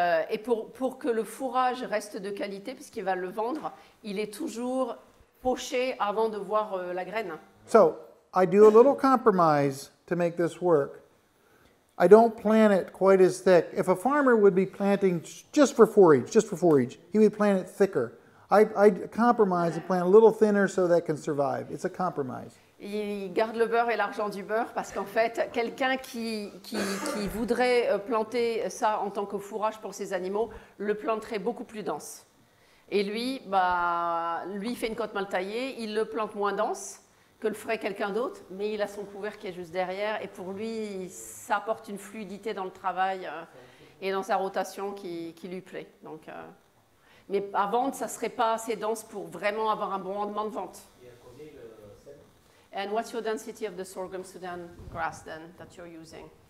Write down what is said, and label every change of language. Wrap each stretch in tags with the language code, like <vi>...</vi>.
<fr>Et pour que le fourrage reste de qualité puisqu'il va le vendre, il est toujours poché avant de voir la graine.</fr> <en>So, I do a little compromise to make this work. I don't plant it quite as thick. If a farmer would be planting just for forage, he would plant it thicker. I'd compromise and plant a little thinner so that can survive. It's a compromise.</en> <fr>Il garde le beurre et l'argent du beurre parce qu'en fait, quelqu'un qui voudrait planter ça en tant que fourrage pour ses animaux le planterait beaucoup plus dense. Et lui, bah, lui fait une côte mal taillée, il le plante moins dense que le ferait quelqu'un d'autre, mais il a son couvert qui est juste derrière, et pour lui, ça apporte une fluidité dans le travail et dans sa rotation qui lui plaît. Donc, mais à vendre, ça ne serait pas assez dense pour vraiment avoir un bon rendement de vente.</fr> <en>And what's your density of the sorghum Sudan grass then that you're using?</en>